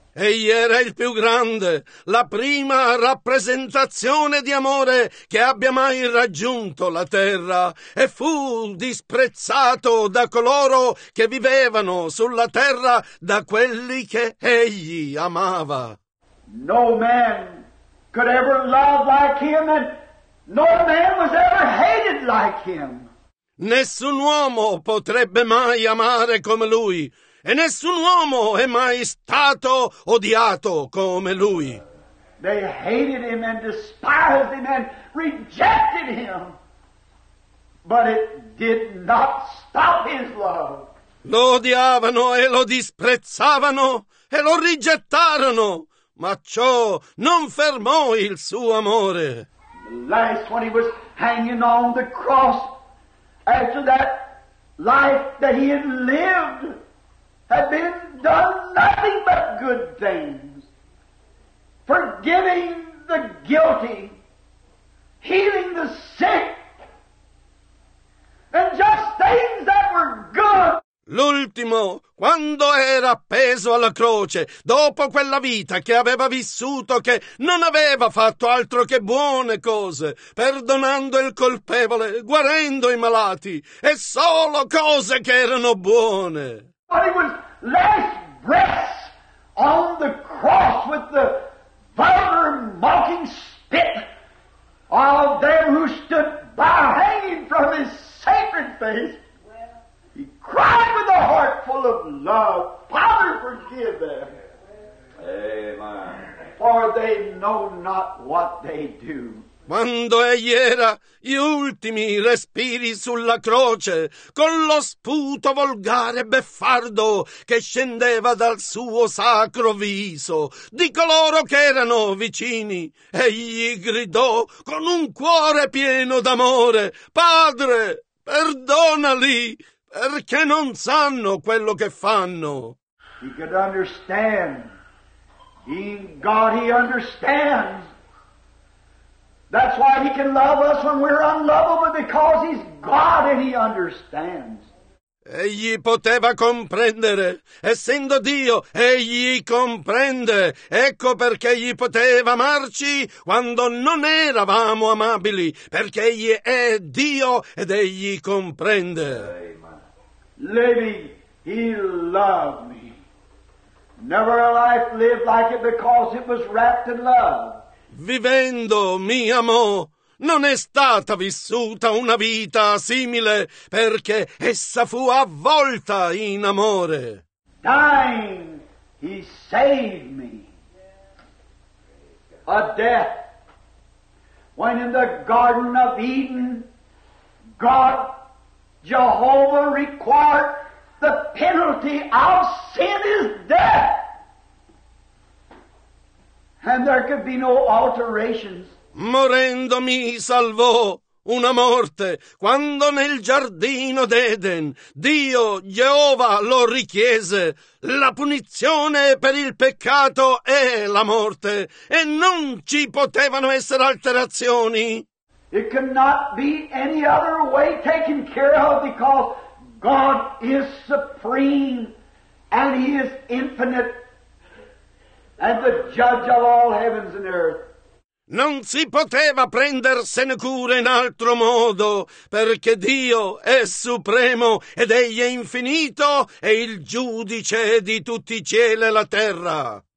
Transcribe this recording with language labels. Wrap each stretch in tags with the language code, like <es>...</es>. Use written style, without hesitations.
<it>Egli era il più grande, la prima rappresentazione di amore che abbia mai raggiunto la terra, e fu disprezzato da coloro che vivevano sulla terra, da quelli che egli amava.</it> <en>No man could ever love like him, and no man was ever hated like him.</en> <it>Nessun uomo potrebbe mai amare come lui. E nessun uomo è mai stato odiato come lui.</it> <en>They hated him and despised him and rejected him. But it did not stop his love.</en> <it>Lo odiavano e lo disprezzavano e lo rigettarono, ma ciò non fermò il suo amore.</it> <en>Last when he was hanging on the cross, after that life that he had lived had been done nothing but good things, forgiving the guilty, healing the sick, and just things that were good.</en> <it>L'ultimo, quando era appeso alla croce, dopo quella vita che aveva vissuto, che non aveva fatto altro che buone cose, perdonando il colpevole, guarendo i malati, e solo cose che erano buone.</it> <en>Last breaths on the cross with the vulgar mocking spit of them who stood by hanging from his sacred face. He cried with a heart full of love, Father, forgive them. Amen. For they know not what they do.</en> <it>Quando egli era gli ultimi respiri sulla croce, con lo sputo volgare beffardo che scendeva dal suo sacro viso, di coloro che erano vicini, egli gridò con un cuore pieno d'amore, Padre, perdonali, perché non sanno quello che fanno.</it> <en>He could understand. Being God, he understands. That's why he can love us when we're unlovable, because he's God and he understands.</en> <it>Egli poteva comprendere, essendo Dio, egli comprende. Ecco perché egli poteva amarci quando non eravamo amabili, perché egli è Dio ed egli comprende.</it> <en>Living, he loved me. Never a life lived like it because it was wrapped in love.</en> <it>vivendo, mi amò. Non è stata vissuta una vita simile perché essa fu avvolta in amore.</it> <en>Dying, he saved me. A death. When in the Garden of Eden, God, Jehovah, required the penalty of sin is death. And there could be no alterations.</en> <it>Morendo mi salvò una morte, quando nel giardino d'Eden Dio, Geova, lo richiese. La punizione per il peccato è la morte, e non ci potevano essere alterazioni.</it> <en>It cannot be any other way taken care of, because God is supreme and he is infinite and the judge of all heavens and earth.</en> <it>Non si poteva prendersene cura in altro modo, perché Dio è supremo ed egli è infinito e il giudice di tutti i cieli e la terra.</it>